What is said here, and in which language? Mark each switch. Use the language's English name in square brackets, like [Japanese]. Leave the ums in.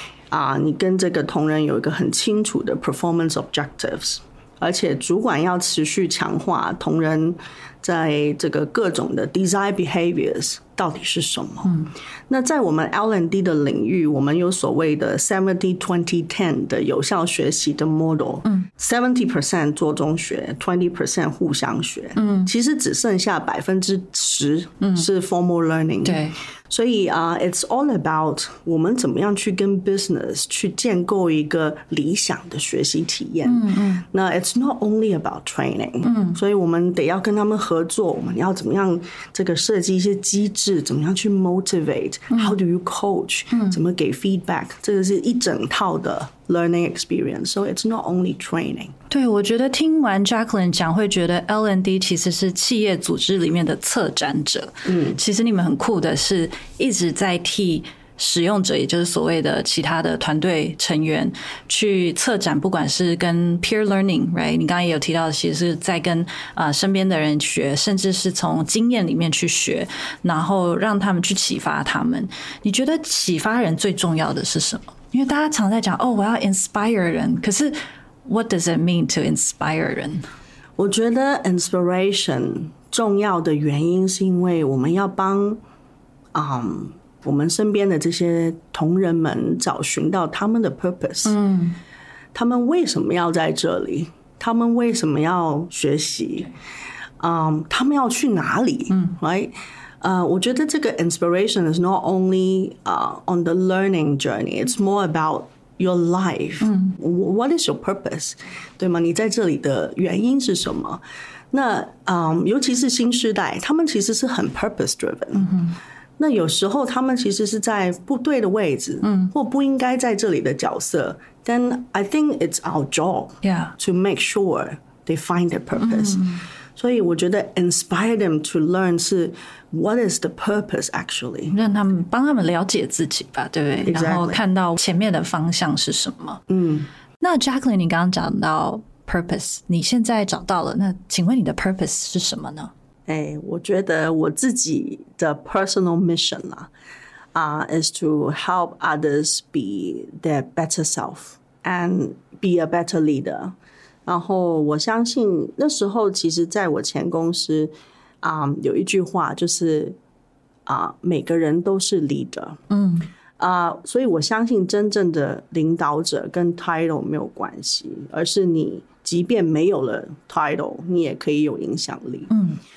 [Chinese] 啊、呃，你跟这个同仁有一个很清楚的 performance objectives。而且主管要持续强化同仁在这个各种的 d e s i g n behaviors。到底是什么？嗯，那在我们 L and D 的领域，我们有所谓的 seventy twenty ten 的有效学习的 model。嗯，seventy percent 做中学，twenty percent 互相学。嗯，其实只剩下百分之十。嗯，是 formal learning。对，所以啊， [English] it's all about [Chinese] 我们怎么样去跟 business 去建构一个理想的学习体验。嗯嗯，那 [English] it's not only about training。 [Chinese] 嗯，所以我们得要跟他们合作。我们要怎么样这个设计一些机制？是怎么样去 motivate？ [English] How do you coach？ [Chinese] 怎么给 feedback？ 这个是一整套的 learning experience。 [English] So it's not only training。 [Chinese] 对，我觉得听完 Jacqueline 讲，会觉得 L n D 其实是企业组织里面的策展者。嗯，其实你们很酷的，是一直在替。使用者，也就是所谓的其他的团队成员，去策展，不管是跟 peer learning，right？你刚刚也有提到，其实是在跟啊身边的人学，甚至是从经验里面去学，然后让他们去启发他们。你觉得启发人最重要的是什么？因为大家常在讲哦，我要 inspire 人， [English] 可是 what does it mean to inspire 人？ [Chinese] 我觉得 inspiration 重要的原因是因为我们要帮啊。 Um 我们身边的这些同仁们，找寻到他们的 purpose，嗯，他们为什么要在这里？他们为什么要学习？啊，他们要去哪里？ [English] 嗯，right，呃， [Chinese] 我觉得这个 [English] inspiration is not only 啊，on the learning journey，it's more about your life。嗯，what is your purpose？ [Chinese] 对吗？你在这里的原因是什么？那嗯，尤其是新时代，他们其实是很 purpose driven。嗯。那有时候他们其实是在不对的位置，嗯，或不应该在这里的角色。 [English] Then I think it's our job, yeah, to make sure they find their purpose. [Chinese] 所以我觉得 [English] inspire them to learn [Chinese] 是 [English] what is the purpose actually？ [Chinese] 让他们帮他们了解自己吧，对不对？然后看到前面的方向是什么。嗯。那 Jacqueline，你刚刚讲到 purpose，你现在找到了。那请问你的 purpose 是什么呢？ [English] 哎， [Chinese] 我觉得我自己的 [English] personal mission 啊，啊，is to help others be their better self and be a better leader。 [Chinese] 然后我相信那时候其实在我前公司，啊，有一句话就是啊，每个人都是 leader。嗯啊，所以我相信真正的领导者跟 title 没有关系，而是你即便没有了 title，你也可以有影响力。嗯。